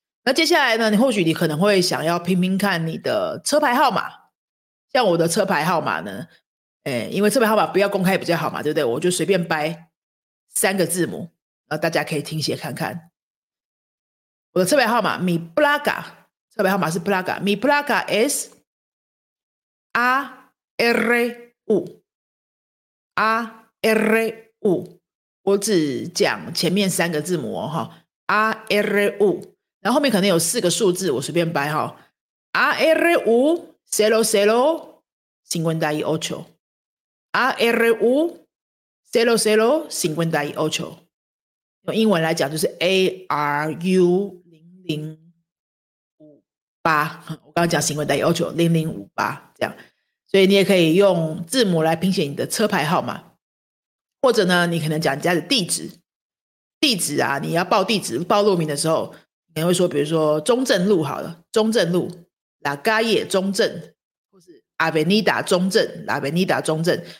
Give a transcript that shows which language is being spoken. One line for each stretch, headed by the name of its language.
Chinese: 那接下来呢，你或许你可能会想要拼拼看你的车牌号码，像我的车牌号码呢因为车牌号码不要公开比较好嘛，对不对？我就随便掰三个字母，然后大家可以听写看看。我的车牌号码 Mi Placa， 车牌号码是 Placa，
Spanish: Mi Placa es ARU。
Chinese: 我只讲前面三个字母哦，哈 ，ARU， 然后后面可能有四个数字，我随便掰哈 ，ARU
Spanish: zero zero cincuenta y ocho。
Chinese: ARU
Spanish: zero zero cincuenta y ocho，
Chinese: 用英文来讲就是 ARU 0058。我刚刚讲
Spanish: cincuenta y ocho
Chinese: 0058这样，所以你也可以用字母来拼写你的车牌号码，或者呢，你可能讲你家的地址，地址啊，你要报地址报路名的时候，你可能会说，比如说中正路好了，中正路 La Calle 中正，或是 Avenida 中正 La Avenida 中正。